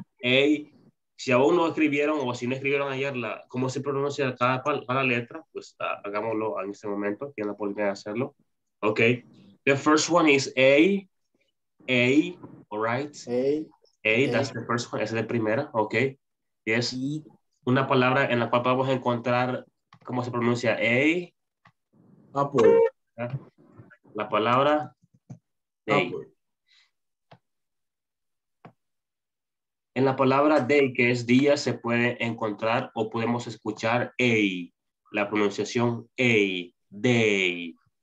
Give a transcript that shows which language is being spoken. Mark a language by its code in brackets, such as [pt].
[es] A, si aún no escribieron o si no escribieron ayer, la, ¿cómo se pronuncia cada letra? Pues hagámoslo en este momento, tienen la oportunidad de hacerlo. [en] Okay, the first one is A, A, all right? A. A, that's the first one, [es] esa es la primera, [en] okay? [es] Yes, una palabra en la cual podemos encontrar cómo se pronuncia A. [en] Apple. [es] La palabra day. En la palabra day, que es día, se puede encontrar o podemos escuchar a, la pronunciación a, day.